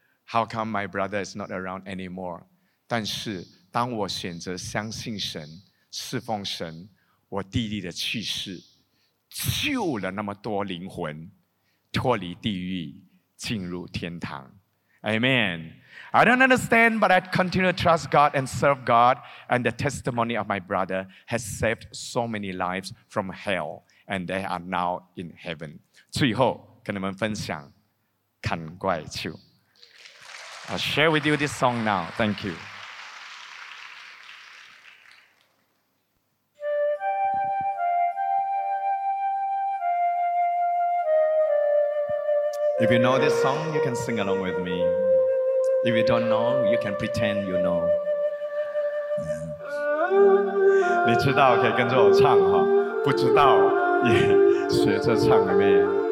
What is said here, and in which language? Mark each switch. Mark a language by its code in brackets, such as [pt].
[en] How come my brother is not around anymore? [zh] 但是, 当我选择相信神, 侍奉神, 我弟弟的去世, 救了那么多灵魂, 脱离地狱, 进入天堂。 [en] Amen. I don't understand, but I continue to trust God and serve God, and the testimony of my brother has saved so many lives from hell, and they are now in heaven. [zh] 最后跟你们分享, 砍怪秋。 [en] I'll share with you this song now. Thank you. If you know this song, you can sing along with me. If you don't know, you can pretend you know. [zh] 你知道可以跟着我唱,不知道也学着唱, Amen.